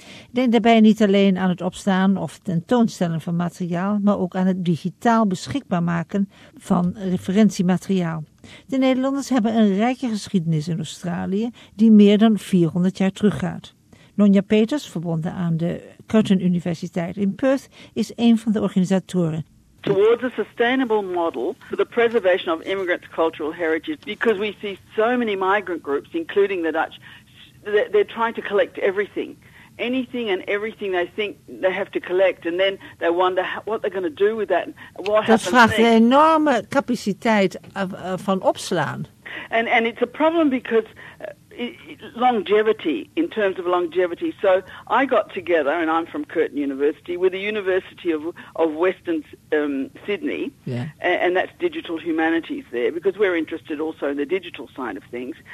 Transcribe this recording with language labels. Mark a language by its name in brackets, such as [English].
[Dutch] Denk daarbij niet alleen aan het opslaan of tentoonstellen van materiaal, maar ook aan het digitaal beschikbaar maken van referentiemateriaal. De Nederlanders hebben een rijke geschiedenis in Australië die meer dan 400 jaar teruggaat. Nonja Peters, verbonden aan de Curtin Universiteit in Perth, is een van de organisatoren. [English] Towards a sustainable model for the preservation of immigrants' cultural heritage, because we see so many migrant groups, including the Dutch, they're trying to collect everything. Anything and everything they think they have to collect, and then they wonder what they're going to do with that. [Dutch] Dat vraagt een enorme capaciteit van opslaan. [English] And it's a problem because longevity, in terms of longevity. So I got together, and I'm from Curtin University, with the University of Western Sydney, yeah. And that's digital humanities there, because we're interested also in the digital side of things.